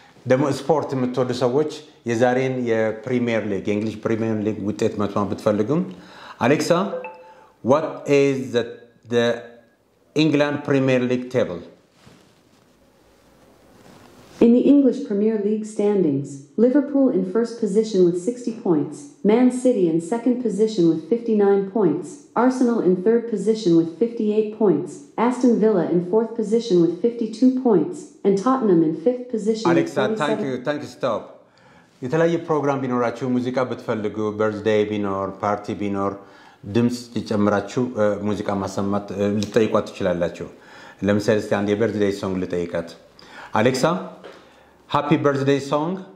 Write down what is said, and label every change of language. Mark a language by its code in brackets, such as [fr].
[am] ደሞ ስፖርት የምትወዱ ሰዎች የዛሬን የፕሪሚየር ሊግ እንግሊሽ ፕሪሚየር ሊግ ውጤት መስማት ብትፈልጉ አሌክሳ [en] what is the England Premier League table? In the English Premier League standings, Liverpool in first position with 60 points, Man City in second position with 59 points, Arsenal in third position with 58 points, Aston Villa in fourth position with 52 points, and Tottenham in fifth position Alexa, with 47. Alexa, thank you, stop. [am] የተለያየ ፕሮግራም ቢኖራችሁ ሙዚቃ ብትፈልጉ በርዝዴይ ቢኖር ፓርቲ ቢኖር ድምጽ ጨምራችሁ ሙዚቃ ማሰማት ልትጠይቋት ትችላላችሁ። ለምሳሌ እስቲ አንድ የበርዝዴይ ሶንግ ልጠይቃት። አሌክሳ [en] ሃፒ በርዝዴይ ሶንግ።